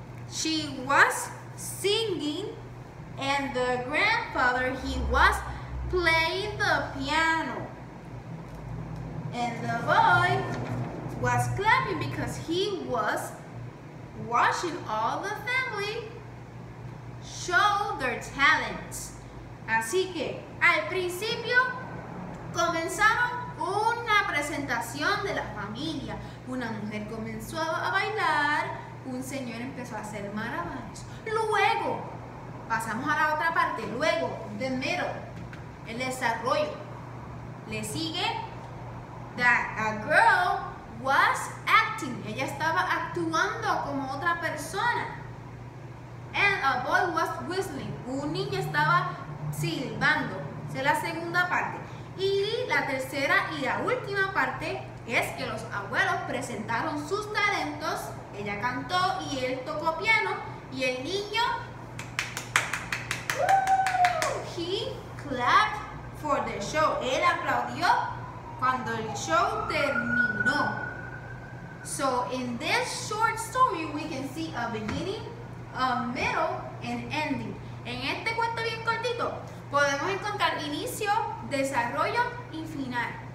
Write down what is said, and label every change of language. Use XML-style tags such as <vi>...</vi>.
<en>She was singing and the grandfather, he was playing the piano. And the boy was clapping because he was watching all the family show their talents.</en> <es>Así que al principio comenzaron una presentación de la familia. Una mujer comenzó a bailar, un señor empezó a hacer maravillas. Luego, pasamos a la otra parte, luego,</es> <en>the middle,</en> <es>el desarrollo. Le sigue</es> <en>that a girl was acting.</en> <es>Ella estaba actuando como otra persona.</es> <en>And a boy was whistling.</en> <es>Un niño estaba silbando. Esa es la segunda parte. Y la tercera y la última parte es que los abuelos presentaron sus talentos. Ella cantó y él tocó piano. Y el niño,</es> <en>he clapped for the show.</en> <es>Él aplaudió cuando el show terminó.</es> <en>So in this short story, we can see a beginning, a middle, and ending.</en> <es>En este cuento bien cortito, podemos encontrar inicio, desarrollo y final.</es>